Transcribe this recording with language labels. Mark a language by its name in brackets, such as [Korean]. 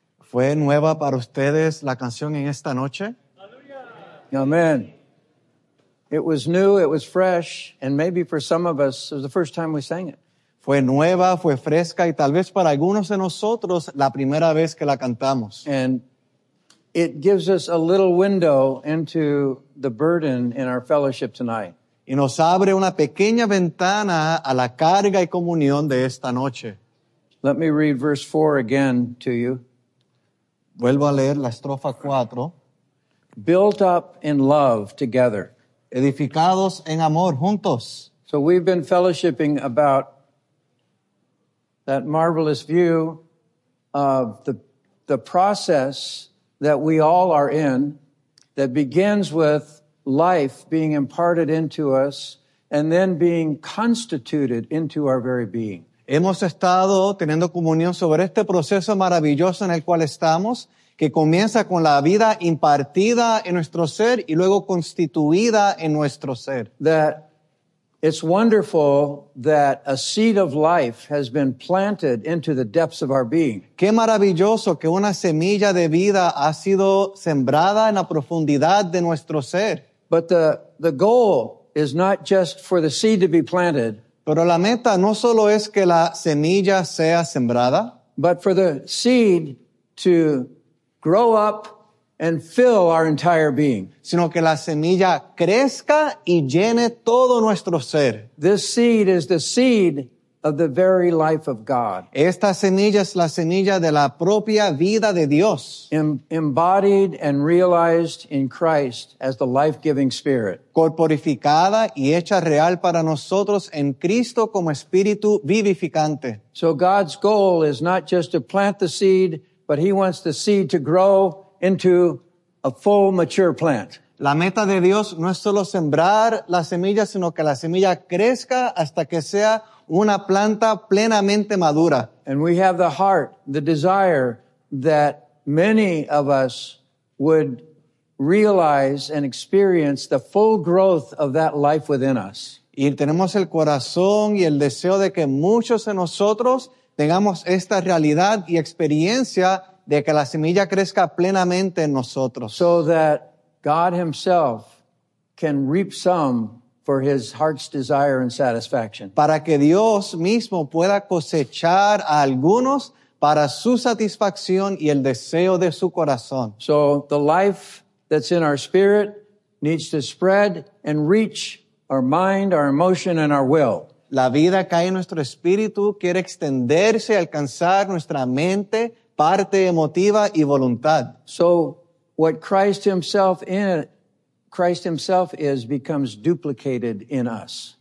[Spanish] ¿Fue nueva para ustedes la canción en esta noche? Amen. [English] It was new, it was fresh, and maybe for some of us, it was the first time we sang it. [Spanish] Fue nueva, fue fresca, y tal vez para algunos de nosotros, la primera vez que la cantamos. [English] And it gives us a little window into the burden in our fellowship tonight. [Spanish] Y nos abre una pequeña ventana a la carga y comunión de esta noche. [English] Let me read verse 4 again to you. [Spanish] Vuelvo a leer la estrofa 4. [English] Built up in love together. [Spanish] Edificados en amor juntos. [English] So we've been fellowshipping about that marvelous view of the process that we all are in that begins with life being imparted into us and then being constituted into our very being. [Spanish] Hemos estado teniendo comunión sobre este proceso maravilloso en el cual estamos, que comienza con la vida impartida en nuestro ser y luego constituida en nuestro ser. [English] That it's wonderful that a seed of life has been planted into the depths of our being. [Spanish] Qué maravilloso que una semilla de vida ha sido sembrada en la profundidad de nuestro ser. [English] But the goal is not just for the seed to be planted. [Spanish] Pero la meta no solo es que la semilla sea sembrada, [English] but for the seed to grow up and fill our entire being. [Spanish] Sino que la semilla crezca y llene todo nuestro ser. [English] This seed is the seed of the very life of God. [Spanish] Esta semilla es la semilla de la propia vida de Dios. [English] Embodied and realized in Christ as the life-giving Spirit. [Spanish] Corporificada y hecha real para nosotros en Cristo como Espíritu vivificante. [English] So God's goal is not just to plant the seed, but He wants the seed to grow into a full mature plant. [Spanish] La meta de Dios no es solo sembrar la semilla, sino que la semilla crezca hasta que sea una planta plenamente madura. [English] And we have the heart, the desire that many of us would realize and experience the full growth of that life within us. [Spanish] Y tenemos el corazón y el deseo de que muchos de nosotros tengamos esta realidad y experiencia de que la semilla crezca plenamente en nosotros. [English] So that God Himself can reap some for His heart's desire and satisfaction. [Spanish] Para que Dios mismo pueda cosechar a algunos para su satisfacción y el deseo de su corazón. [English] So the life that's in our spirit needs to spread and reach our mind, our emotion, and our will. [Spanish] La vida que hay en nuestro espíritu quiere extenderse, alcanzar nuestra mente, parte emotiva y voluntad. [English] So what Christ Himself in it, Christ Himself is, becomes duplicated in us.